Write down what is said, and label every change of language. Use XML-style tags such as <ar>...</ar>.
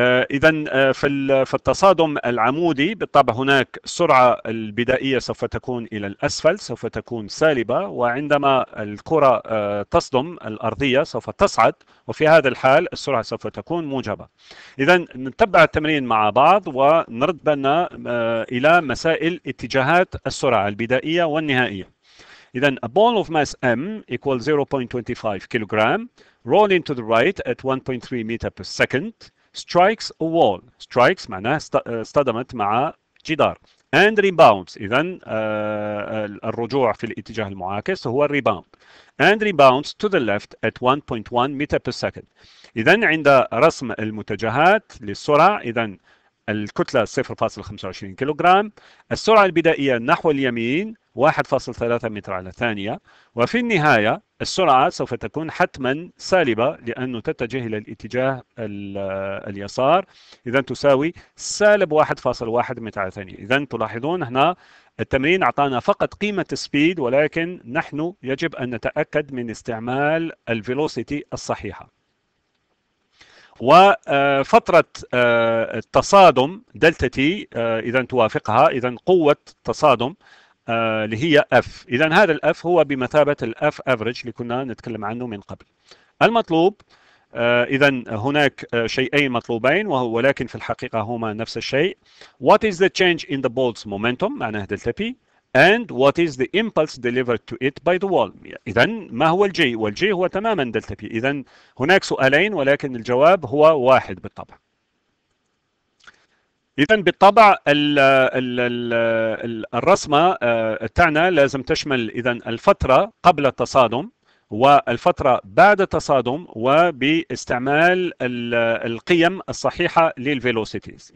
<ar>إذا في التصادم العمودي بالطبع هناك سرعة البدائية سوف تكون إلى الأسفل، سوف تكون سالبة، وعندما الكرة تصدم الأرضية سوف تصعد، وفي هذا الحال السرعة سوف تكون موجبة. إذا نتبع التمرين مع بعض ونرد بالنا إلى مسائل اتجاهات السرعة البدائية والنهائية.</ar> <en>إذا a ball of mass M equals 0.25 kilogram rolling to the right at 1.3 meter per second strikes a wall. strikes</en> <ar>معناه اصطدمت مع جدار.</ar> <en>and rebounds.</en> <ar>إذن الرجوع في الاتجاه المعاكس هو</ar> <en>rebound and rebounds to the left at 1.1 meter per second.</en> <ar>إذن عند رسم المتجهات للسرعة، إذن الكتلة 0.25 كيلوغرام، السرعة البدائية نحو اليمين 1.3 متر على الثانية، وفي النهاية السرعة سوف تكون حتما سالبة لأنه تتجه إلى الاتجاه اليسار، إذن تساوي سالب 1.1 متر على الثانية. إذن تلاحظون هنا التمرين أعطانا فقط قيمة سبيد، ولكن نحن يجب أن نتأكد من استعمال الفيلوسيتي الصحيحة. وفترة التصادم دلتا تي إذا توافقها، إذا قوة التصادم اللي هي F، إذا هذا ال F هو بمثابة ال F average اللي كنا نتكلم عنه من قبل. المطلوب إذا هناك شيئين مطلوبين، ولكن في الحقيقة هما نفس الشيء.</ar> <en>What is the change in the ball's momentum</en> <ar>معناه دلتا P،</ar> <en>and what is the impulse delivered to it by the wall؟</en> <ar>إذا ما هو الجي؟ والجي هو تماما دلتا بي. إذا هناك سؤالين ولكن الجواب هو واحد بالطبع. إذا بالطبع الـ الـ الـ الـ الرسمة تاعنا لازم تشمل إذا الفترة قبل التصادم والفترة بعد التصادم، وباستعمال القيم الصحيحة للفيلوسيتيز.</ar>